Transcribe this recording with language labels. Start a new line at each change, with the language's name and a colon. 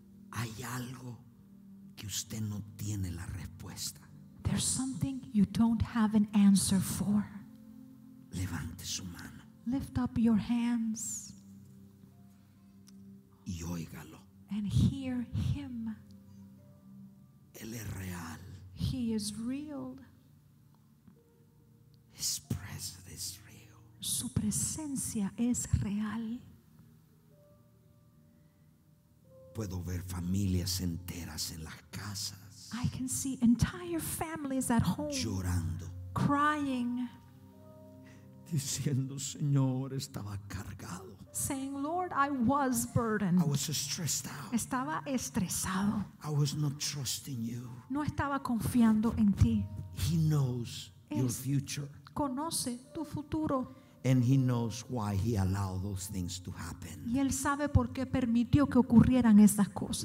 Spanish: Hay algo que usted no tiene la respuesta.
English: There's something you don't have an answer for.
Spanish: Levante su mano.
English: Lift up your hands.
Spanish: Y óigalo.
English: And hear him.
Spanish: Él es real.
English: He is real. His presence is real.
Spanish: Su presencia es real. Puedo ver familias enteras en las casas.
English: I can see entire families at home.
Spanish: Llorando.
English: Crying.
Spanish: Diciendo, Señor, estaba cargado.
English: Saying, Lord, I was burdened. I was stressed out.
Spanish: Estaba estresado.
English: I was not trusting you.
Spanish: No estaba confiando en ti.
English: He knows your future.
Spanish: Conoce tu futuro.
English: And he knows why he allowed those things to happen.
Spanish: Y él sabe por qué permitió que ocurrieran esas cosas.